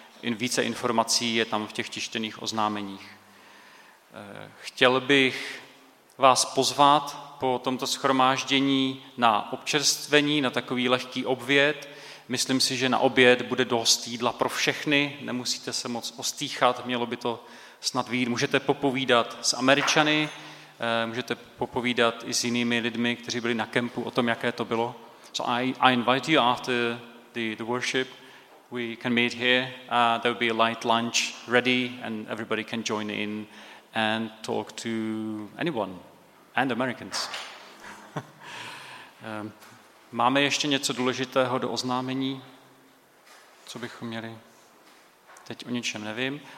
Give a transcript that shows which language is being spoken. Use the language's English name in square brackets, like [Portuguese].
[Czech] Více informací je tam v těch tištěných oznámeních. Chtěl bych vás pozvat po tomto shromáždění na občerstvení, na takový lehký oběd. Myslím si, že na oběd bude dost jídla pro všechny, nemusíte se moc ostýchat, mělo by to snad vyjít. Můžete popovídat s Američany, můžete popovídat i s jinými lidmi, kteří byli na kempu, o tom, jaké to bylo. [English] So I invite you after the worship, we can meet here, there will be a light lunch ready and everybody can join in and talk to anyone, and Americans. [Czech] Máme ještě něco důležitého do oznámení, co bychom měli? Teď o ničem nevím.